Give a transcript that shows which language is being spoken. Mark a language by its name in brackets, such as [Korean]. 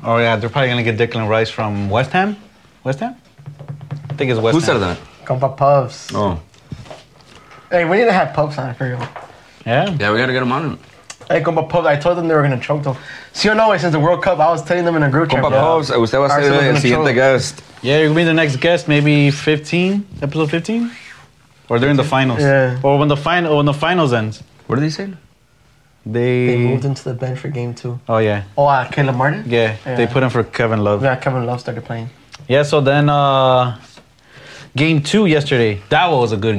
[English] Oh, yeah, they're probably going to get Declan Rice from West Ham. West Ham? I think it's West Ham. Who said that? Compa Puffs. Oh. Hey, we need to have Puffs on it for real. Yeah? Yeah, we got to get him on. Hey, Compa Puffs, I told them they were going to choke them. See, you know, since the World Cup, I was telling them in a group chat. [Spanish] Compa Puffs, usted va a ser el siguiente guest. [English] Yeah, you're going to be the next guest, maybe 15, episode 15? Or during the finals. Yeah. Or when the finals ends. What did they say? They moved into the bench for game two. Oh, yeah. Oh, Caleb Martin? Yeah, they put him for Kevin Love. Yeah, Kevin Love started playing. Yeah, so then game two yesterday, that was a good game.